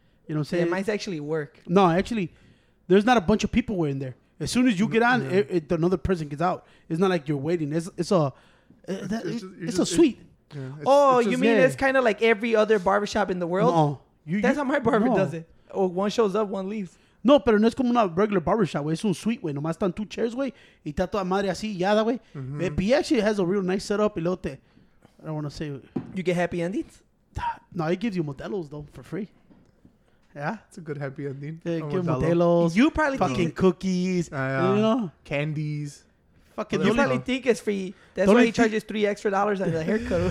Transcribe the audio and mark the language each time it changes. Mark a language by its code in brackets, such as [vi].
[en] You know what I'm saying? Yeah, mine's actually work. No, actually, there's not a bunch of people wearing there. As soon as you get on, another person gets out. It's not like you're waiting. It's just a suite. It's kind of like every other barbershop in the world? No. That's how my barber does it. Oh, one shows up, one leaves. [es] No, pero no es como una [en] regular barbershop, [es] güey. Es un suite, güey. Nomás están [en] 2 chairs, [es] güey. Y está toda madre así, ya da, güey. [en] Mm-hmm. He actually has a real nice setup. [es] Y luego te, [en] I don't want to say. You get happy endings? No, he gives you modelos, though, for free. Yeah, it's a good happy ending. Give modelos. You probably fucking cookies, candies. Fucking, you probably think it's free. That's why he charges $3 extra on the haircut.